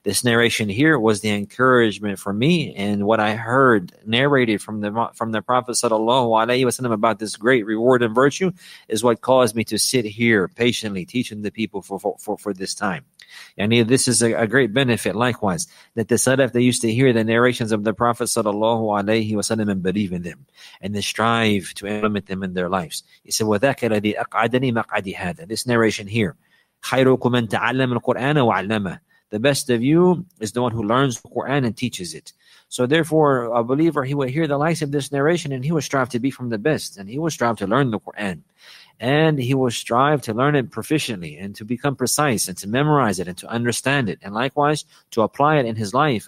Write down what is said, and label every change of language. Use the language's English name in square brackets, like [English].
[English] This narration here was the encouragement for me, and what I heard narrated from the Prophet sallallahu alayhi wa sallam about this great reward and virtue is what caused me to sit here patiently teaching the people for this time. And this is a great benefit. Likewise, that the Salaf, they used to hear the narrations of the Prophet sallallahu alayhi wa sallam and believe in them, and they strive to implement them in their lives. He said, [Arabic] وَذَاكَ الَّذِي أَقْعَدَنِي مَقْعَدِي هَذَا. [English] This narration here, [Arabic] خَيْرُكُمْ مَنْ تَعَلَّمَ الْقُرْآنَ وَعَلَّمَهُ. [English] The best of you is the one who learns the Quran and teaches it. So therefore, a believer, he will hear the likes of this narration, and he will strive to be from the best, and he will strive to learn the Quran. And he will strive to learn it proficiently and to become precise and to memorize it and to understand it, and likewise to apply it in his life.